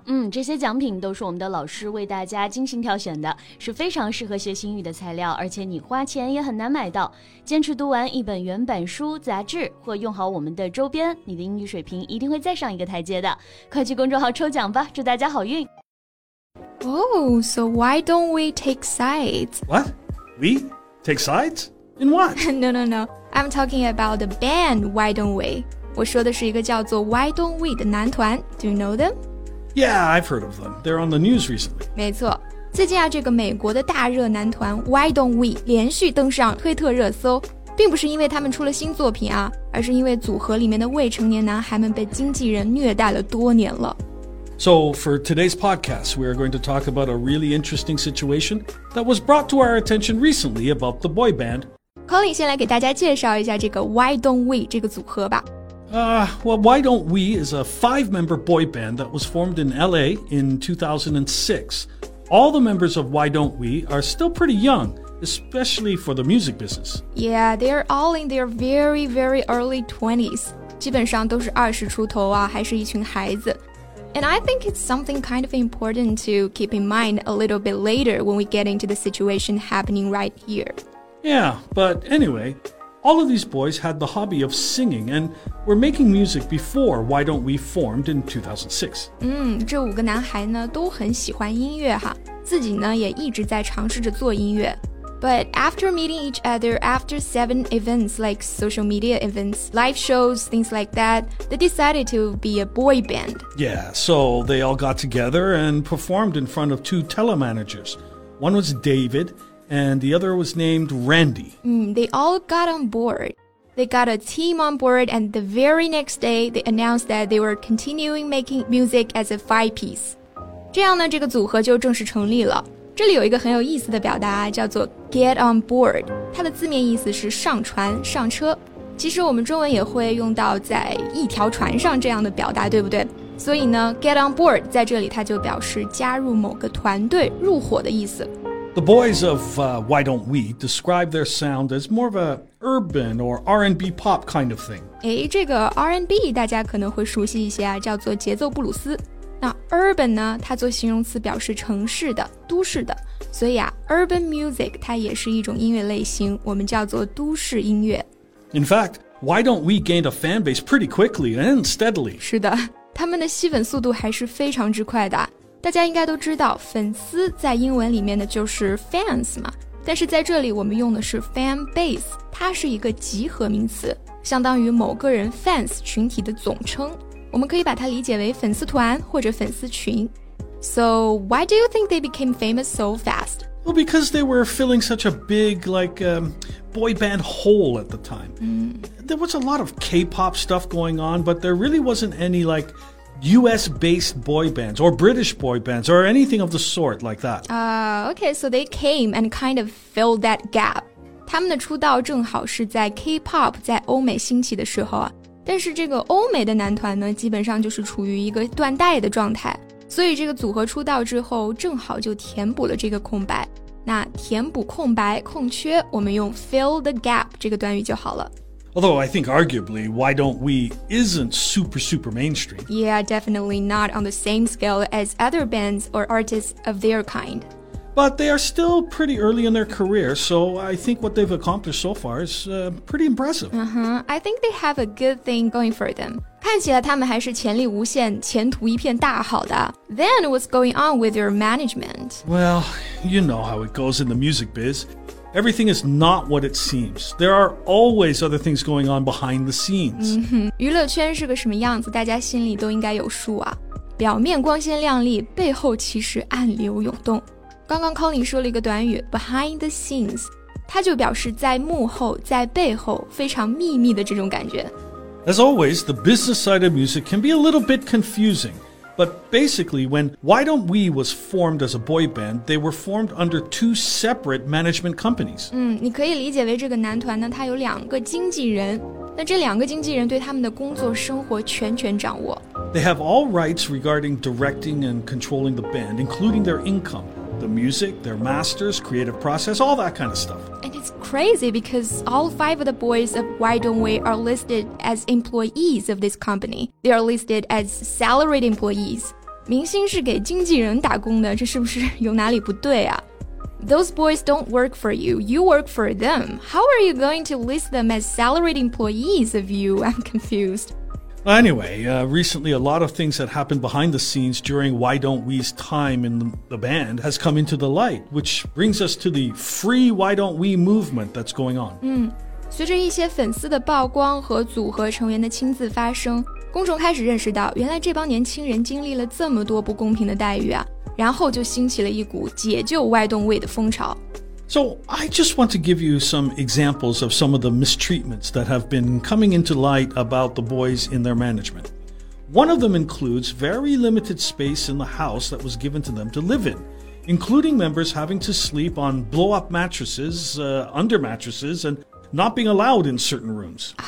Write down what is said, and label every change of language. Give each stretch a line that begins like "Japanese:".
Chinese: 嗯，这些奖品都是我们的老师为大家精心挑选的，是非常适合学习英语的材料，而且你花钱也很难买到。坚持读完一本原版书、杂志或用好我们的周边，你的英语水平一定会再上一个台阶的。快去公众号抽奖吧，祝大家好运。
English: Oh, so why don't we take sides? What? We take sides? In what? No. I'm talking about the band, Why Don't We?
Chinese: 我说的是一个叫做 Why Don't We 的男团。
English: Do you know them? Yeah, I've heard of them. They're on the news recently.
Chinese: 没错。最近啊，这个美国的大热男团 Why Don't We 连续登上推特热搜，并不是因为他们出了新作品啊，而是因为组合里面的未成年男孩们被经纪人虐待了多年了。
English: So, for today's podcast, we are going to talk about a really interesting situation that was brought to our attention recently about the boy band.
Chinese: Colin, 先来给大家介绍一下这个 Why Don't We 这个组合吧。
English: Why Don't We is a five-member boy band that was formed in LA in 2006. All the members of Why Don't We are still pretty young, especially for the music business. Yeah, they are all in their very, very early 20s.
Chinese: 基本上都是二十出头啊，还是一群孩子。
English: And I think it's something kind of important to keep in mind a little bit later when we get into the situation happening right here. Yeah, but anyway, all of these boys had the hobby of singing and were making music before Why Don't We formed in 2006.
Chinese: 这五个男孩呢都很喜欢音乐哈，自己呢也一直在尝试着做音乐。
English: But after meeting each other after 7 events like social media events, live shows, things like that, they decided to be a boy band. Yeah, so they all got together and performed in front of two telemanagers. One was David and the other was named Randy. They all got on board. They got a team on board and the very next day they announced that they were continuing making music as a five piece.
Chinese: 这样呢，这个组合就正式成立了。这里有一个很有意思的表达，叫做
English: get on board，
Chinese: 它的字面意思是上船、上车。其实我们中文也会用到在一条船上这样的表达，对不对？所以呢 ，
English: get on board
Chinese: 在这里它就表示加入某个团队、入伙的意思。
English: The boys of Why Don't We describe their sound as more of a urban or R&B pop kind of thing.
Chinese: 哎，这个 R&B 大家可能会熟悉一些啊，叫做节奏布鲁斯。那 urban 呢，它做形容词表示城市的、都市的，所以啊 ，urban music 它也是一种音乐类型，我们叫做都市音乐。
English: In fact, Why Don't We gained a fan base pretty quickly and steadily?
Chinese: 是的，他们的吸粉速度还是非常之快的。大家应该都知道，粉丝在英文里面的就是 fans 嘛，但是在这里我们用的是 fan base， 它是一个集合名词，相当于某个人 fans 群体的总称。我们可以把它理解为粉丝团或者粉丝群。
English: So, why do you think they became famous so fast? Well, because they were filling such a big, like, boy band hole at the time. There was a lot of K-pop stuff going on, but there really wasn't any, like, US-based boy bands or British boy bands or anything of the sort like that. Okay, so they came and kind of filled that gap.
Chinese: 他们的出道正好是在 K-pop 在欧美兴起的时候啊。但是这个欧美的男团呢基本上就是处于一个断代的状态，所以这个组合出道之后正好就填补了这个空白。那填补空白空缺，我们用
English: fill the gap
Chinese: 这个短语就好了。
English: Although I think arguably Why Don't We isn't super super mainstream. Yeah, definitely not on the same scale as other bands or artists of their kind. But they are still pretty early in their career, so I think what they've accomplished so far is pretty impressive. I think they have a good thing going for them.
Chinese: 看起来他们还是潜力无限，前途一片大好的。
English: Then what's going on with your management? Well, you know how it goes in the music biz. Everything is not what it seems. There are always other things going on behind the scenes.
Chinese: 娱乐圈是个什么样子，大家心里都应该有数啊。表面光鲜亮丽，背后其实暗流涌动。刚刚 Colin 说了一个短语
English: behind the scenes，
Chinese: 它就表示在幕后、在背后非常秘密的这种感觉。
English: As always, the business side of music can be a little bit confusing. But basically, when Why Don't We was formed as a boy band, they were formed under two separate management companies.
Chinese: 你可以理解为这个男团呢，它有两个经纪人，那这两个经纪人对他们的工作生活全权掌握。
English: They have all rights regarding directing and controlling the band, including their income, the music, their masters, creative process, all that kind of stuff. And it's crazy because all five of the boys of Why Don't We are listed as employees of this company. They are listed as salaried employees.
Chinese: 明星是给经纪人打工的，这是不是有哪里不对啊？
English: Those boys don't work for you, you work for them. How are you going to list them as salaried employees of you? I'm confused. Anyway, recently a lot of things that happened behind the scenes during Why Don't We's time in the band has come into the light, which brings us to the Free Why Don't We movement that's going on.
Chinese: 随着一些粉丝的曝光和组合成员的亲自发声，公众开始认识到原来这帮年轻人经历了这么多不公平的待遇啊。然后就兴起了一股解救外动位的风潮。
English: So I just want to give you some examples of some of the mistreatments that have been coming into light about the boys in their management. One of them includes very limited space in the house that was given to them to live in, including members having to sleep on blow-up mattresses, under mattresses, and not being allowed in certain rooms.